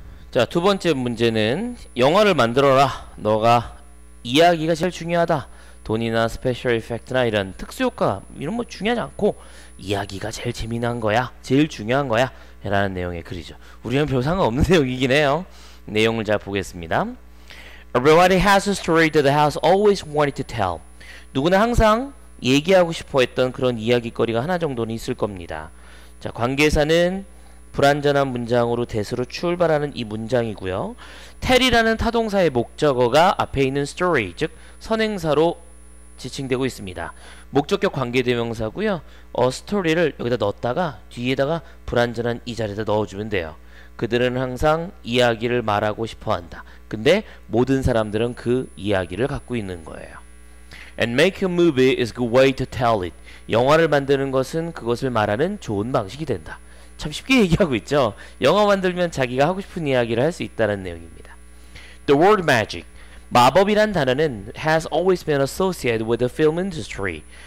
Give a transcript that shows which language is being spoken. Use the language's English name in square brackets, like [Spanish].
[Korean] 자, 두 번째 문제는 영화를 만들어라. 너가 이야기가 제일 중요하다. 돈이나 스페셜 이펙트나 이런 특수효과 이런 뭐 중요하지 않고 이야기가 제일 재미난 거야. 제일 중요한 거야. 라는 내용의 글이죠. 우리는 별 상관없는 내용이긴 해요. 내용을 잘 보겠습니다. [English] Everybody has a story that they have always wanted to tell. [Korean] 누구나 항상 얘기하고 싶어 했던 그런 이야기거리가 하나 정도는 있을 겁니다. 자, 관계사는 불완전한 문장으로 대수로 출발하는 이 문장이고요. tell이라는 타동사의 목적어가 앞에 있는 story, 즉 선행사로 지칭되고 있습니다. 목적격 관계대명사고요. a story를 여기다 넣었다가 뒤에다가 불완전한 이 자리에다 넣어주면 돼요. 그들은 항상 이야기를 말하고 싶어한다. 근데 모든 사람들은 그 이야기를 갖고 있는 거예요. [English] And make a movie is a good way to tell it. [Korean] 영화를 만드는 것은 그것을 말하는 좋은 방식이 된다. 참 쉽게 얘기하고 있죠. 영화 만들면 자기가 하고 싶은 이야기를 할 수 있다는 내용입니다. [English] The word magic. [Korean] 마법이란 단어는 [English] has always been associated with the film industry.